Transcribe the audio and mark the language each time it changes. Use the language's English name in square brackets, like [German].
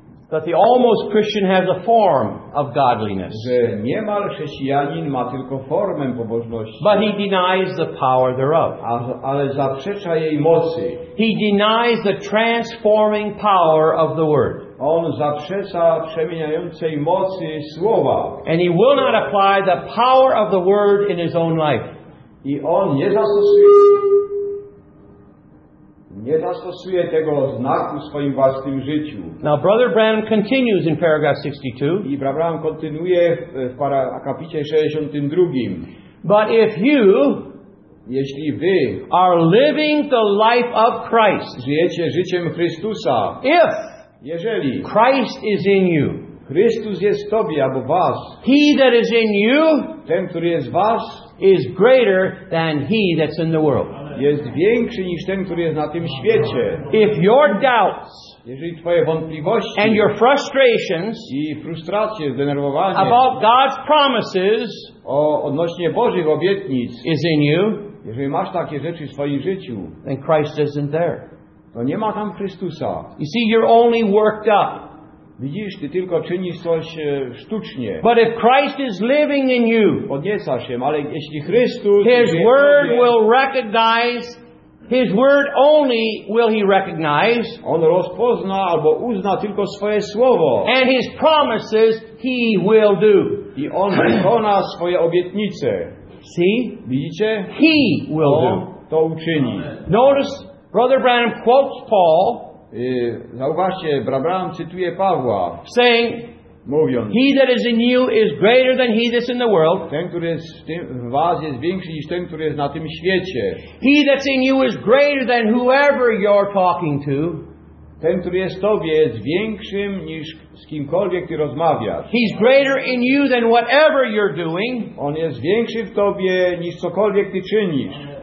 [English] That the almost Christian has a form of godliness. [Polish] Że niemal chrześcijanin ma tylko formę pobożności. [English] But he denies the power thereof. [Polish] Ale zaprzecza jej mocy. [English] He denies the transforming power of the word. [Polish] On zaprzecza przemieniającej mocy słowa. [English] And he will not apply the power of the word in his own life. [Polish] I on nie zastosuje tego znaku w swoim własnym życiu. [English] Now Brother Branham continues in paragraph 62. [Polish] I Brother Branham kontynuuje w akapicie 62. [English] But if you, [Polish] jeśli wy, [English] are living the life of Christ, [Polish] żyjecie życiem Chrystusa, [English] if, [Polish] jeżeli, [English] Christ is in you, [Polish] Chrystus jest w tobie albo was, [English] he that is in you, [Polish] ten, który jest was, [English] is greater than he that's in the world. [Polish] Jest większy niż ten, który jest na tym świecie. [English] If your doubts, [Polish] jeżeli twoje wątpliwości, [English] and your frustrations, [Polish] i frustracje, zdenerwowanie, [English] about God's promises, [Polish] o odnośnie Bożych obietnic, [English] is in you, [Polish] jeżeli masz takie rzeczy w swoim życiu, [English] then Christ isn't there. [Polish] To nie ma tam Chrystusa. [English] You see, you're only worked up. [Polish] Widzisz, ty tylko czynisz coś sztucznie. [English] But if Christ is living in you, [Polish] podniecasz się, ale jeśli Chrystus, [English] His word will recognize, His word only will He recognize. [Polish] On rozpozna albo uzna tylko swoje słowo. [English] And His promises He will do. [Polish] I on wykona swoje obietnice. [English] See? [Polish] Widzicie? [English] He will [Polish] on [English] do. [Polish] To uczyni. [English] Notice, Brother Branham quotes Paul. [Polish] Zauważcie, Abraham cytuje Pawła, [English] saying, [Polish] mówiąc, [English] he that is in you is greater than he that's in the world. [Polish] Ten, który jest w was, jest większy niż ten, który jest na tym świecie. [English] He that's in you is greater than whoever you're talking to. [Polish] Ten, który jest w tobie, jest większym niż z kimkolwiek ty rozmawiasz. [English] He's greater in you than whatever you're doing. [Polish] On jest większy w tobie niż cokolwiek ty czynisz.